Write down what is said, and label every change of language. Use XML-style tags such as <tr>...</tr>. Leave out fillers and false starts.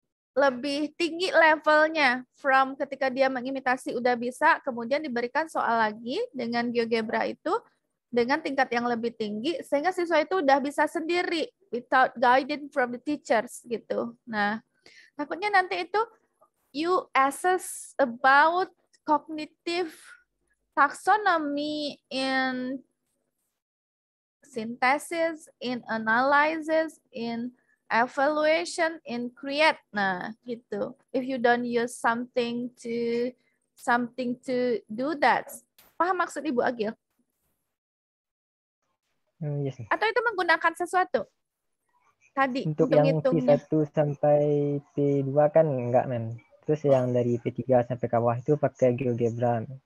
<id>lebih tinggi levelnya from ketika dia mengimitasi udah bisa, kemudian diberikan soal lagi dengan GeoGebra itu dengan tingkat yang lebih tinggi, sehingga siswa itu udah bisa sendiri</id> <en>without guidance from the teachers</en> <id>gitu. Nah, takutnya nanti itu</id> <en>you assess about cognitive taxonomy in synthesis, in analysis, in evaluation, in create. Nah, gitu. If you don't use something to do that.</en> <id>Paham maksud Ibu Agil?</id> <en>Yes.</en> <id>Atau itu menggunakan sesuatu? Tadi, untuk yang P1 sampai P2 kan enggak, men. Terus yang dari P3 sampai ke bawah itu pakai GeoGebra.</id>